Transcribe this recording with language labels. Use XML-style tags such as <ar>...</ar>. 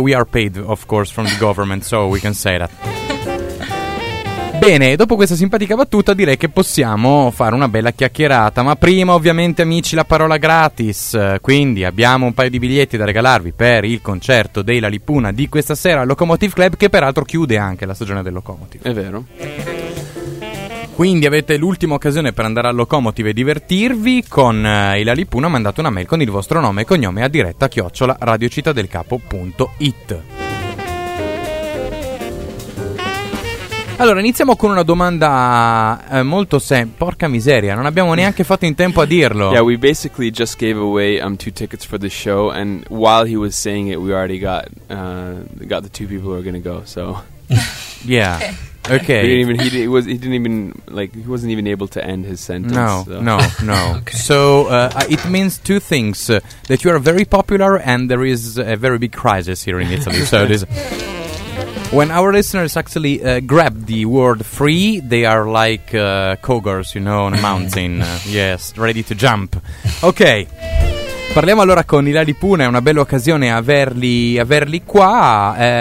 <en>We are paid, of course, from the government, so we can say that.</en> <it>Bene, dopo questa simpatica battuta direi che possiamo fare una bella chiacchierata. Ma prima, ovviamente, amici, la parola gratis. Quindi abbiamo un paio di biglietti da regalarvi per il concerto dei La Lipuna di questa sera al Locomotive Club, che peraltro chiude anche la stagione del Locomotive. È vero. Quindi avete l'ultima occasione per andare al Locomotive e divertirvi con i La Lipuna. Mandate una mail con il vostro nome e cognome a diretta@radiocittadelcapo.it. Allora, iniziamo con una domanda molto semplice. Porca miseria, non abbiamo neanche fatto in tempo a dirlo.</it> <en>Yeah, we basically just gave away two tickets for the show, and while he was saying it, we already got the two people who are gonna go. So, yeah, okay. He wasn't even able to end his sentence. No. Okay. So it means two things: that you are very popular, and there is a very big crisis here in Italy. So it is. When our listeners actually grab the word free, they are like cougars, you know, on a mountain. Yes, ready to jump.</en> <it>Ok, parliamo allora con i La Lipuna. È una bella occasione averli qua.</it>